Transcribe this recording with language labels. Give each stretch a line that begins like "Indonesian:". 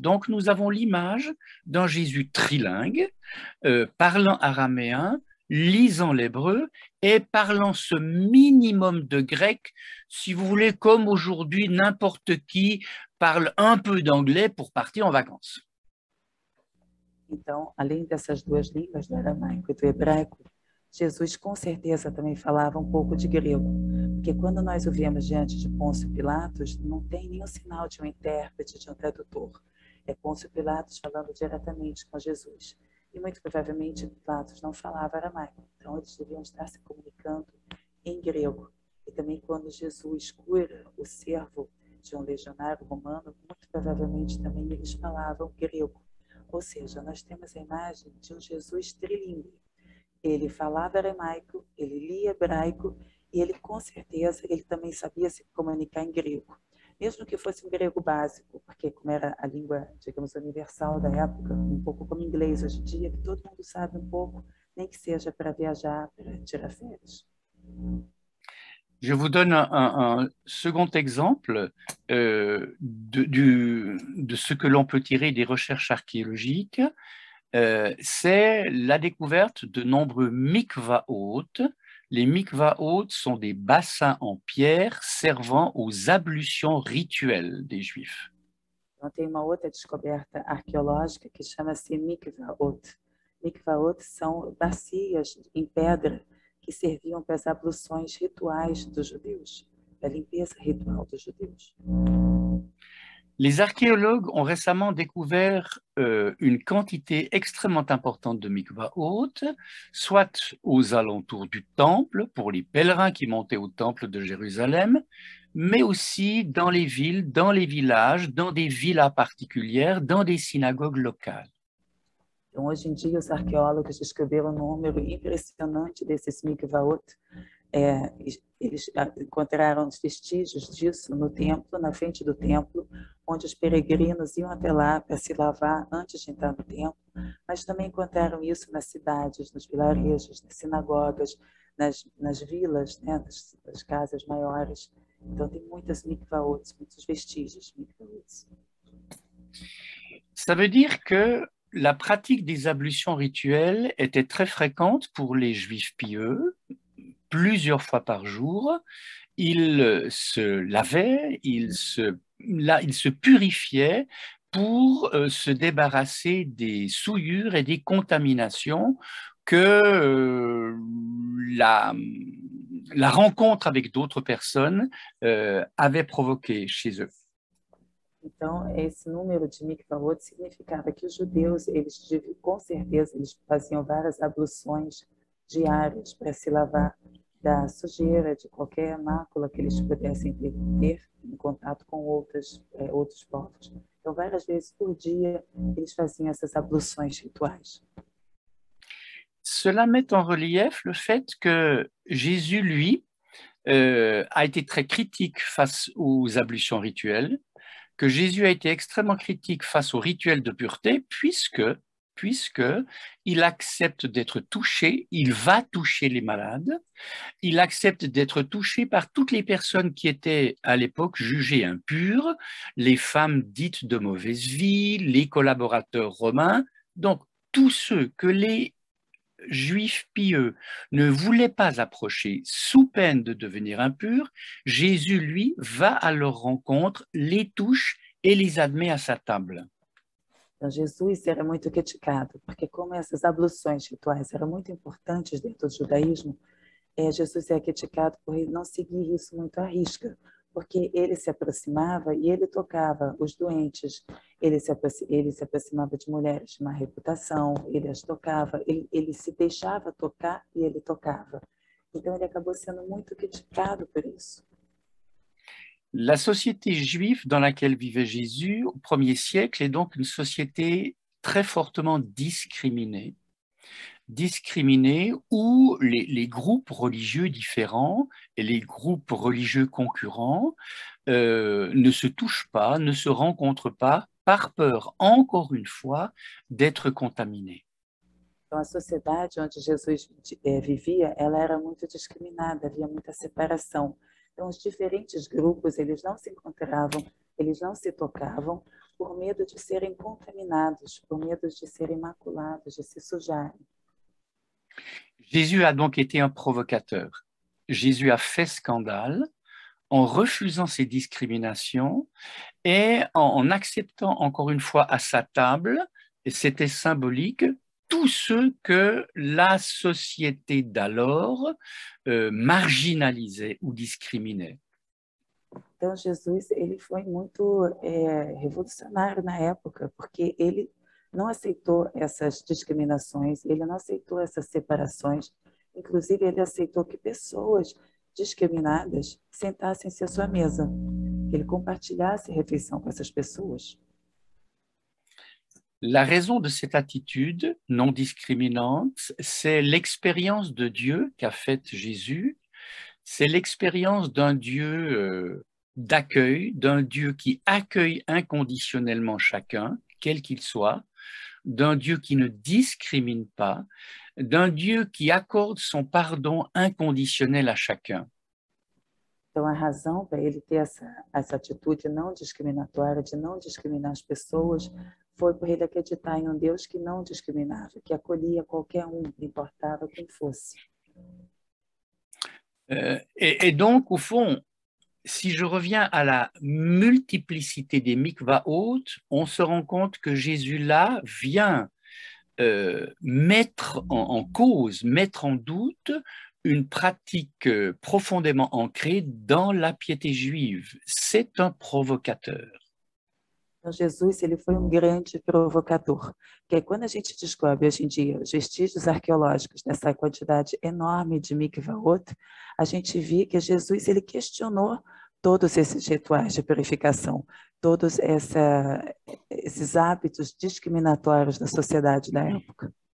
French: Donc nous avons l'image d'un Jésus trilingue, parlant araméen, lisant l'hébreu et parlant ce minimum de grec, si vous voulez, comme aujourd'hui, n'importe qui parle un peu d'anglais pour partir en vacances.
Portuguese: Então, além dessas duas línguas, do aramaico e do hebraico, Jesus com certeza também falava um pouco de grego, porque quando nós o vemos diante de Pôncio Pilatos, não tem nenhum sinal de um intérprete, de um tradutor. É Pôncio Pilatos falando diretamente com Jesus. E muito provavelmente Pilatos não falava aramaico, então eles deviam estar se comunicando em grego. E também quando Jesus cura o servo de um legionário romano, muito provavelmente também eles falavam grego. Ou seja, nós temos a imagem de um Jesus trilingue. Ele falava aramaico, ele lia hebraico e ele, com certeza, ele também sabia se comunicar em grego. Mesmo que fosse um grego básico, porque como era a língua, digamos, universal da época, um pouco como inglês hoje em dia, que todo mundo sabe um pouco, nem que seja para viajar, para tirar férias.
French: Je vous donne un second exemple de ce que l'on peut tirer des recherches archéologiques. C'est la découverte de nombreux mikvaot. Les mikvaot sont des bassins en pierre servant aux ablutions rituelles des Juifs. Donc, il y a une autre découverte archéologique qui s'appelle mikvaot.
Portuguese: Mikvaot
French: sont des
Portuguese: bacias
French: en pierre
Portuguese: que serviam para as abluções rituais dos judeus, para a limpeza ritual dos judeus.
French: Les archéologues ont récemment découvert une quantité extrêmement importante de mikvaot, soit aux alentours du temple, pour les pèlerins qui montaient au temple de Jérusalem, mais aussi dans les villes, dans les villages, dans des villas particulières, dans des synagogues locales.
Portuguese: Então, hoje em dia, os arqueólogos descobriram um número impressionante desses mikvaot. Eles encontraram vestígios disso no templo, na frente do templo, onde os peregrinos iam até lá para se lavar antes de entrar no templo, mas também encontraram isso nas cidades, nos vilarejos, nas sinagogas, nas vilas, né, nas casas maiores. Então, tem muitas mikvaot, muitos vestígios mikvaot.
French: Ça veut dire que la pratique des ablutions rituelles était très fréquente pour les juifs pieux, plusieurs fois par jour. Ils se lavaient, ils se purifiaient pour se débarrasser des souillures et des contaminations que la rencontre avec d'autres personnes avait provoquées chez eux.
Portuguese: Então, esse número de mikvaot significava que os judeus, eles com certeza, eles faziam várias abluções diárias para se lavar da sujeira, de qualquer mácula que eles pudessem ter em contato com outros povos. Então, várias vezes por dia, eles faziam essas abluções rituais.
French: Cela met en relief le fait que Jésus, lui, a été très critique face aux ablutions rituelles. Que Jésus a été extrêmement critique face au rituel de pureté, puisque il accepte d'être touché, il va toucher les malades, il accepte d'être touché par toutes les personnes qui étaient à l'époque jugées impures, les femmes dites de mauvaise vie, les collaborateurs romains, donc tous ceux que les juifs pieux ne voulaient pas approcher sous peine de devenir impurs, Jésus, lui, va à leur rencontre, les touche et les admet à sa table.
Portuguese: Então, Jésus era muito criticado, porque como essas abluções rituais eram muito importantes dentro do judaísmo, Jésus era criticado por não seguir isso muito à risca, porque ele se aproximava e ele tocava os doentes, ele se aproximava de mulheres de má reputação, ele as tocava, ele se deixava tocar e ele tocava. Então ele acabou sendo muito criticado por isso.
French: La société juive dans laquelle vivait Jésus au premier siècle est donc une société très fortement discriminée. Discriminés où les groupes religieux différents et les groupes religieux concurrents ne se touchent pas, ne se rencontrent pas par peur, encore une fois, d'être contaminé.
Portuguese: Então, a sociedade onde Jesus vivia, ela era muito discriminada, havia muita separação. Então, os diferentes grupos, eles não se encontravam, eles não se tocavam por medo de serem contaminados, por medo de serem maculados, de se sujarem.
French: Jésus a donc été un provocateur. Jésus a fait scandale en refusant ces discriminations et en acceptant encore une fois à sa table, et c'était symbolique, tous ceux que la société d'alors marginalisait ou discriminait.
Portuguese: Então Jesus, ele foi muito revolucionário na época, porque ele não aceitou essas discriminações, ele não aceitou essas separações, inclusive ele aceitou que pessoas discriminadas sentassem-se à sua mesa, que ele compartilhasse a refeição com essas pessoas.
French: La raison de cette attitude non discriminante, c'est l'expérience de Dieu qu'a faite Jésus. C'est l'expérience d'un Dieu d'accueil, d'un Dieu qui accueille inconditionnellement chacun, quel qu'il soit, d'un Dieu qui ne discrimine pas, d'un Dieu qui accorde son pardon inconditionnel à chacun.
Portuguese: Então, a razão para ele ter essa atitude não discriminatória, de não discriminar as pessoas, foi por ele acreditar em um Deus que não discriminava, que acolhia qualquer um, não importava quem fosse.
French: Donc, au fond, si je reviens à la multiplicité des mikvaot, on se rend compte que Jésus là vient mettre en cause, mettre en doute une pratique profondément ancrée dans la piété juive. C'est un provocateur.
Portuguese: Então, Jesus, ele foi um grande provocador. Que é quando a gente descobre hoje em dia os vestígios arqueológicos nessa quantidade enorme de mikvaot, a gente vê que Jesus, ele questionou todos esses rituais de purificação, todos esses hábitos discriminatórios da sociedade da época.